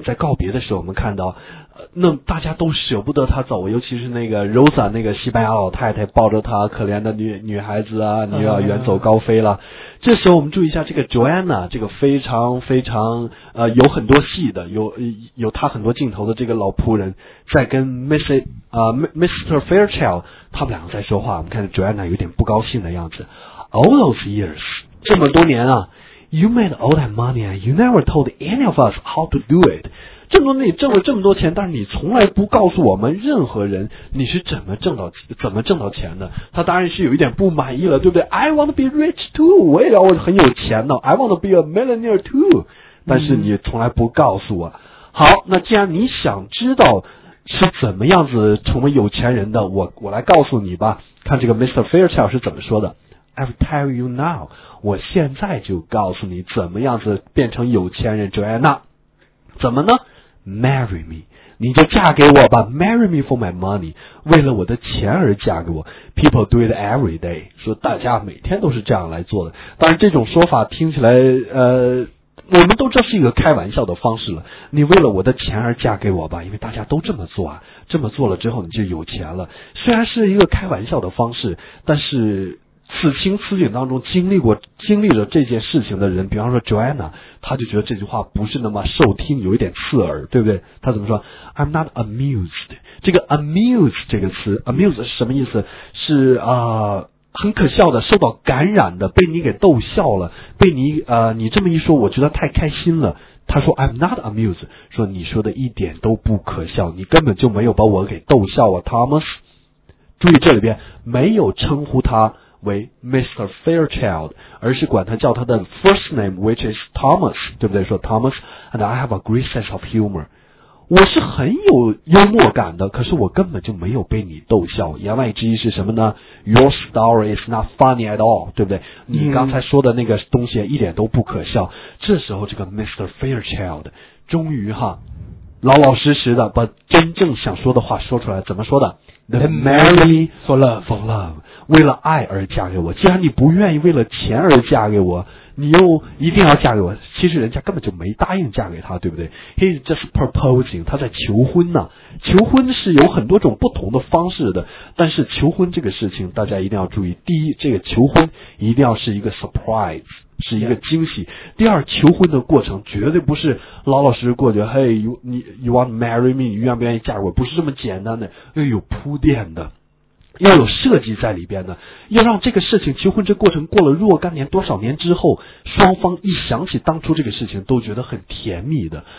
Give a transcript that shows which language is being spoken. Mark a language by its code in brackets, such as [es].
[zh] 在告别的时候，我们看到，那大家都舍不得他走，尤其是那个 Rosa 那个西班牙老太太抱着他可怜的女孩子啊，你要远走高飞了。这时候我们注意一下这个 Joanna， 这个非常非常有很多戏的，有他很多镜头的这个老仆人，在跟 Mr. Fairchild 他们两个在说话。我们看着 Joanna 有点不高兴的样子。 [en] All those years， [zh] 这么多年啊， [en] You made all that money and you never told any of us how to do it。 [zh] 这么多，你挣了这么多钱，但是你从来不告诉我们任何人你是怎么挣到钱的。他当然是有一点不满意了，对不对？ [en] I want to be rich too， [zh] 我也要很有钱呢。 [en] I want to be a millionaire too， [zh] 但是你从来不告诉我。好，那既然你想知道是怎么样子成为有钱人的，我来告诉你吧。看这个 Mr. Fairchild 是怎么说的。 [en] I will tell you now， [zh] 我现在就告诉你怎么样子变成有钱人。 Joanna，怎么呢？ [en] Marry me， [zh] 你就嫁给我吧。 [en] Marry me for my money， [zh] 为了我的钱而嫁给我。 [en] People do it every day， [zh] 说大家每天都是这样来做的。当然这种说法听起来我们都知道是一个开玩笑的方式了。你为了我的钱而嫁给我吧，因为大家都这么做啊，这么做了之后你就有钱了。虽然是一个开玩笑的方式，但是此情此景当中经历了这件事情的人，比方说 Joanna， 他就觉得这句话不是那么受听，有一点刺耳，对不对？他怎么说？ [en] I'm not amused。 [zh] 这个 amused 这个词， amused 是什么意思？是很可笑的，受到感染的，被你给逗笑了，被你这么一说我觉得太开心了。他说 [en] I'm not amused， [zh] 说你说的一点都不可笑，你根本就没有把我给逗笑啊。 Thomas， 注意这里边没有称呼他为 Mr. Fairchild， 而是管他叫他的 first name， [en] which is Thomas， [zh] 对不对？说 Thomas， [en] and I have a great sense of humor， [zh] 我是很有幽默感的，可是我根本就没有被你逗笑。言外之意是什么呢？ [en] Your story is not funny at all， [zh] 对不对？你刚才说的那个东西一点都不可笑。这时候这个 Mr. Fairchild 终于哈，老老实实的把真正想说的话说出来。怎么说的？ [en] They marry for love， for love， [zh] 为了爱而嫁给我。既然你不愿意为了钱而嫁给我，你又一定要嫁给我，其实人家根本就没答应嫁给他，对不对？ [en] He is just proposing， [zh] 他在求婚呢。求婚是有很多种不同的方式的，但是求婚这个事情大家一定要注意。第一，这个求婚一定要是一个 surprise，是一个惊喜。第二，求婚的过程绝对不是老老实实过去。嘿，你 [en] want marry me， [zh] 你愿不愿意嫁我？不是这么简单的，要有铺垫的，要有设计在里边的，要让这个事情，求婚这过程过了若干年，多少年之后，双方一想起当初这个事情，都觉得很甜蜜的。